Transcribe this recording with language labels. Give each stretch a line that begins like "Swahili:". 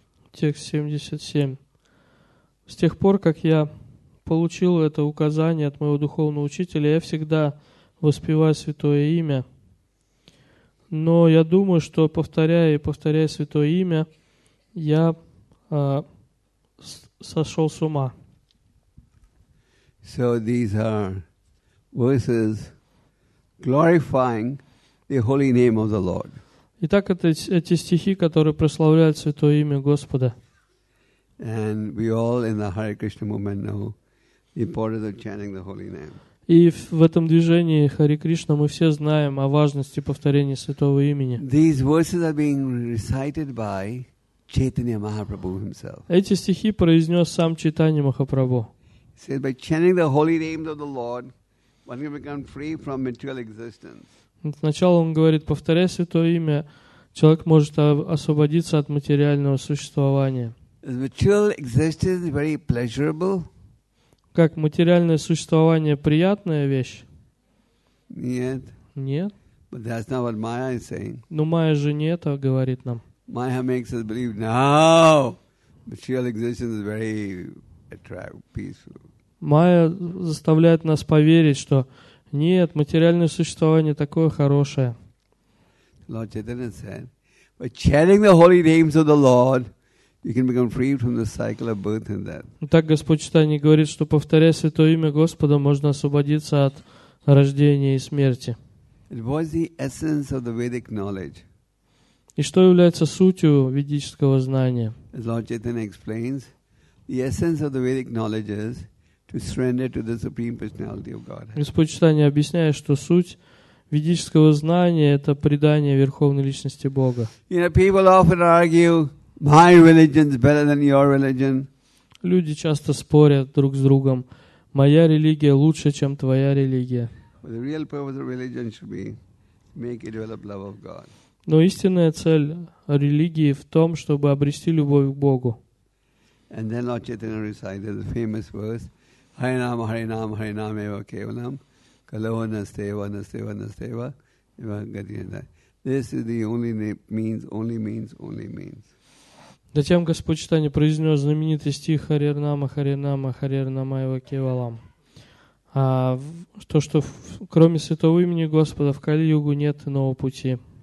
Russian: Текст 77. С тех пор, как я получил это указание от моего духовного учителя, я всегда воспеваю святое имя. Но я думаю, что повторяя и повторяя святое имя, я сошел с ума.
English: So these are verses glorifying the holy name of the Lord.
Russian: Итак, эти стихи, которые прославляют святое имя Господа.
English: And we all in the Hare Krishna movement know the importance of chanting the holy name.
Russian: И в этом движении Хари Кришна мы все знаем о важности повторения святого имени.
English: These verses are being recited by Chaitanya Mahaprabhu himself.
Russian: Эти стихи произнес сам Чайтанья Махапрабху.
English: He said, by chanting the holy name of the Lord, one can become free from material existence.
Russian: Сначала он говорит, повторяя святое имя, человек может освободиться от материального существования.
English: Is material existence very pleasurable?
Russian: Как материальное существование приятная вещь? Нет. Нет.
English: But that's not what Maya is saying.
Russian: Но Майя же не это говорит нам.
English: Maya makes us believe now material existence is very attractive, peaceful.
Russian: Майя заставляет нас поверить, что нет, материальное существование такое хорошее.
English: Lord Chaitanya said, by chanting the holy names of the Lord, you can become free from the cycle of birth and death.
Russian: Так Господь Чайтанья говорит, что повторяя святое имя Господа, можно освободиться от рождения и смерти.
English: It was the essence of the Vedic knowledge.
Russian: И что является сутью ведического знания?
English: As Lord Chaitanya explains, the essence of the Vedic knowledge is to surrender to the Supreme Personality of Godhead.
Russian: Господь Чайтанья объясняет, что суть ведического знания – это предание Верховной Личности Бога.
English: You know, people often argue, my religion is better than your religion.
Russian: Люди часто спорят друг с другом, моя религия лучше, чем твоя религия.
English: But the real purpose of religion should be to make you develop love of God.
Russian: Но истинная цель религии в том, чтобы обрести любовь к Богу.
English: And then Lord Chaitanya recited the famous verse,
Sanskrit: Харинам, Харинам, Харинам, Ева Кевалам, Калава Настева, Настева, Настева, Ева Гадхинда.
English: This is the only means, only means, only means.
Russian: Затем Господь Чайтанья произнес знаменитый стих
Sanskrit: Харинама, Харинама, Харинама, Ева Кевалам.
Russian: То, что кроме святого имени Господа в Кали-югу нет иного пути.